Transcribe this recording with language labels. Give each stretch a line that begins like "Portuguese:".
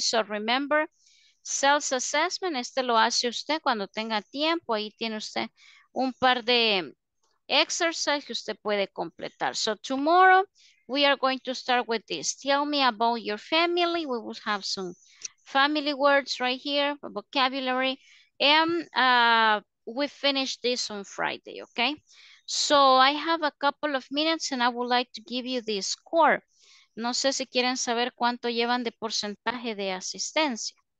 English: So remember,
Spanish: self-assessment, este lo hace usted cuando tenga tiempo, ahí tiene usted un par de exercises que usted puede completar.
English: So tomorrow, we are going to start with this. Tell me about your family. We will have some family words right here, vocabulary. And we finish this on Friday, okay? So I have a couple of minutes and I would like to give you the score.
Spanish: No sé si quieren saber cuánto llevan de porcentaje de asistencia.